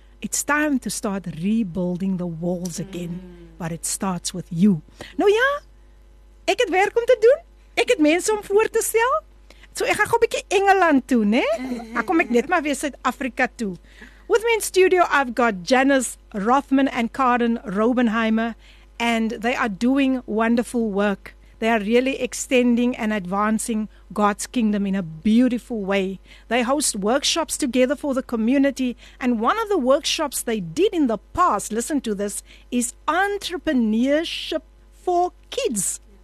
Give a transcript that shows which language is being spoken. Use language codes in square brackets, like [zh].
[en] It's time to start rebuilding the walls again. But it starts with you. [af] Nou ja, ek het werk om te doen. Ek het mense om voor te stel. So ek gaan gou 'n bietjie Engeland toe, né? Ek kom ek net maar weer Suid-Afrika toe. [en] With me in studio, I've got Janice Rothman and Karen Robenheimer, and they are doing wonderful work. They are really extending and advancing God's kingdom in a beautiful way. They host workshops together for the community, and one of the workshops they did in the past, listen to this, is Entrepreneurship for Kids.